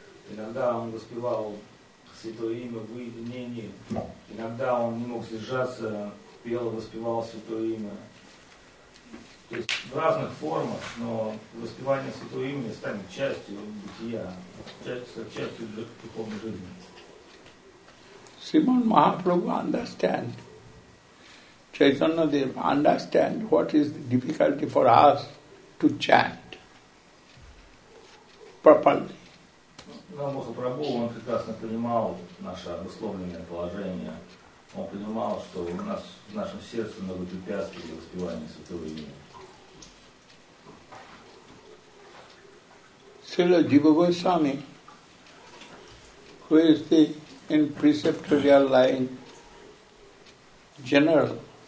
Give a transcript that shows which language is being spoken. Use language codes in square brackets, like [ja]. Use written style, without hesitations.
[ru] Иногда он воспевал Святое Имя в уединении, иногда он не мог сдержаться, пел и воспевал Святое Имя. То есть в разных формах, но воспевание Святого Имени станет частью бытия, частью духовной жизни. [en] Srimad Mahaprabhu understands, Chaitanya Deva understands what is the difficulty for us to chant properly. [ru] Махапрабху, он прекрасно понимал наше обусловленное положение. Он понимал, что у нас в нашем сердце много препятствий для воспевания Святого Имени. [en] Srila Jiva Goswami, who is the in preceptorial line, general